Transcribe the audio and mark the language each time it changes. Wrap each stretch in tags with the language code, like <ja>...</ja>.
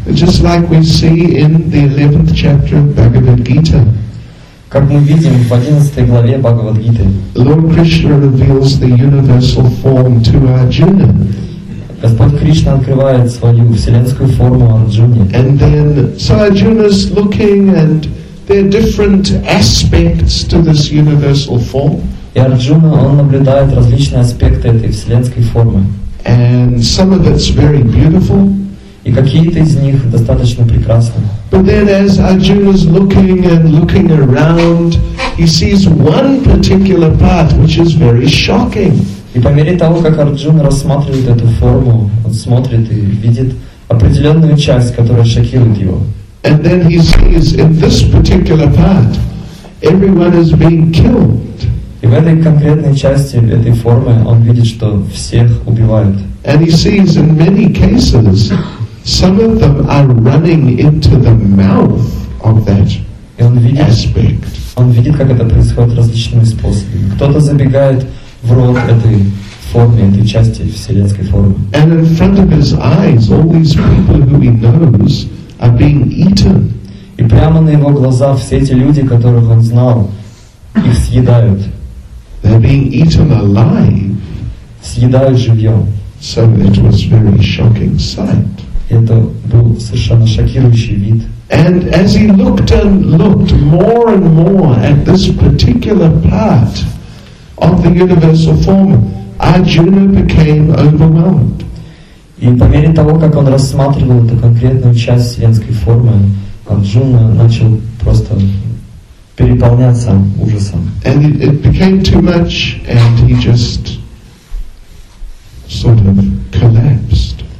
<en>Just like we see in the 11th chapter of Bhagavad Gita.</en> <ru>Как мы видим в 11 главе Бхагавад Гиты.</ru> <en>Lord Krishna reveals the universal form to Arjuna.</en> <ru>Господь Кришна открывает свою вселенскую форму Арджуне.</ru> <en>And then, so Arjuna's looking and there are different aspects to this universal form.</en> <ru>И Арджуна, он наблюдает различные аспекты этой вселенской формы.</ru> <en>And some of it's very beautiful.</en> <ru>И какие-то из них достаточно прекрасны.</ru> <en>But then as Arjuna's looking and looking around, he sees one particular part which is very shocking.</en> <ru>И по мере того, как Арджуна рассматривает эту форму, он смотрит и видит определенную часть, которая шокирует его.</ru> <en>And then he sees in this particular part, everyone is being killed.</en> <ru>И в этой конкретной части этой формы он видит, что всех убивают.</ru> <en>And he sees in many cases, some of them are running into the mouth of that aspect.</en> <ru>Он видит, как это происходит различными способами. Кто-то забегает в рот этой формы, этой части вселенской формы.</ru> <en>And in front of his eyes, all these people who he knows are being eaten.</en> <ru>И прямо на его глазах все эти люди, которых он знал, их съедают.</ru> <en>They're being eaten alive.</en> <ru>Съедают живьем.</ru> <en>So it was very shocking sight.</en> <ru>Это был совершенно шокирующий вид.</ru> <en>And as he looked and looked more and more at this particular part of the universal form, Arjuna became overwhelmed.</en> <ru>И по мере того, как он рассматривал эту конкретную часть вселенской формы, Арджуна начал просто переполняться ужасом.</ru> <en>And it became too much, and he just sort of collapsed.</en>